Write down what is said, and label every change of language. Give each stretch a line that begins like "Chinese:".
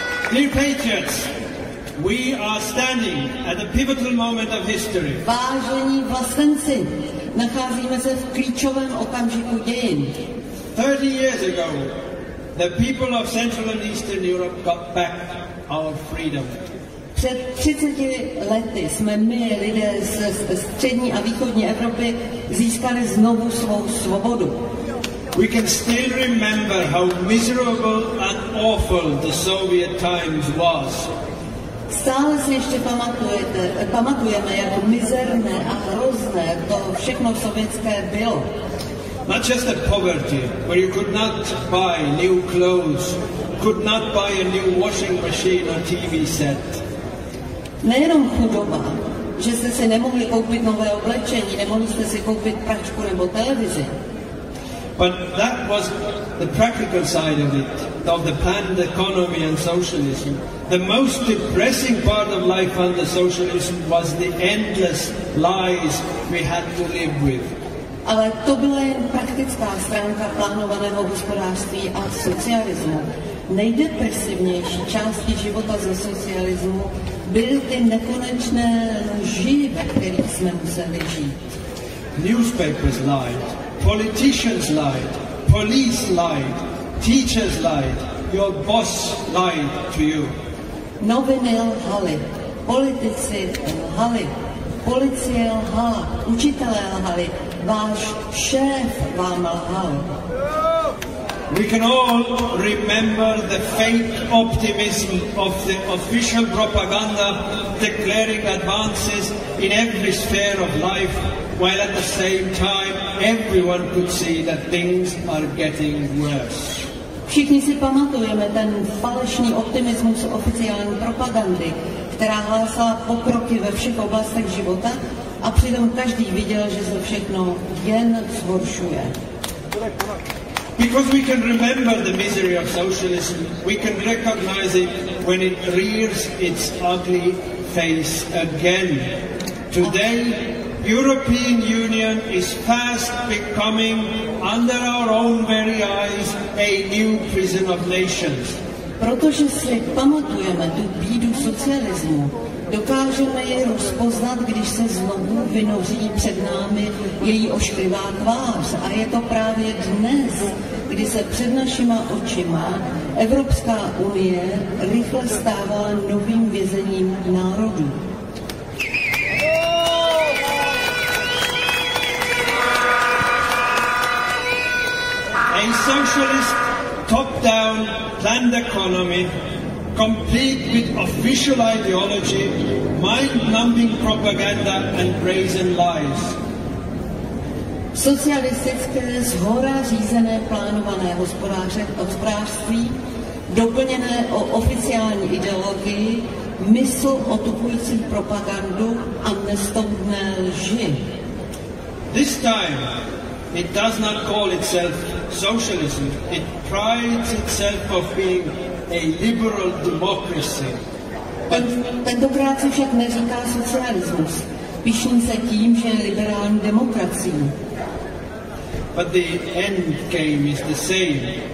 English: Dear patriots, we are standing at a pivotal moment of history.
Czech: Vážení vlastenci, nacházíme se v klíčovém okamžiku dějin.
English: 30 years ago, the people of Central and Eastern Europe got back our freedom.
Czech: Před 30 lety jsme my, lidé z střední a východní Evropy, získali znovu svou svobodu.
English: We can still remember how miserable and awful the Soviet times was.
Czech: Stále si ještě pamatujeme, jak mizerné a hrozné to všechno sovětské bylo.
English: Not just the poverty, where you could not buy new clothes, could not buy a new washing machine or TV set.
Czech: Nejenom chudoba, že jste si nemohli koupit nové oblečení, nemohli jste si koupit pračku nebo televizi.
English: But that was the practical side of it, of the planned economy and socialism. The most depressing part of life under socialism was the endless lies we had to live with.
Czech: Ale to byla jen praktická stránka plánovaného hospodářství a socialismu. Nejdepresivnější části života ze socialismu byly ty nekonečné lži, ve kterých jsme museli žít.
English: Newspapers lied, politicians lied, police lied, teachers lied, your boss lied to you.
Czech: Noviny lhaly, politici lhaly, policie lhala, učitelé lhali, váš šéf vám lhal.
English: We can all remember the fake optimism of the official propaganda declaring advances in every sphere of life, while at the same time everyone could see that things are getting worse.
Czech: Všichni si pamatujeme ten falešný optimismus oficiální propagandy, která hlásala pokroky ve všech oblastech života, a přitom každý viděl, že se všechno jen zhoršuje.
English: Because we can remember the misery of socialism, we can recognize it when it rears its ugly face again. Today, European Union is fast becoming, under our own very eyes, a new prison of nations.
Czech: Protože si pamatujeme tu bídu socialismu, dokážeme je rozpoznat, když se znovu vynoří před námi její ošklivá tvář. A je to právě dnes, kdy se před našima očima Evropská unie rychle stává novým vězením národů.
English: A socialist top-down planned economy, complete with official ideology, mind-numbing propaganda and brazen lies.
Czech: Socialistické zhora řízené plánované hospodářství, doplněné o oficiální ideologii, mysl otupující propagandu a nestoudné lži.
English: This time, it does not call itself socialism. It prides itself of being a liberal democracy.
Czech: Tentokrát se však neříká socialismus. Pyšní se tím, že je liberální demokracií.
English: But the end game is the same.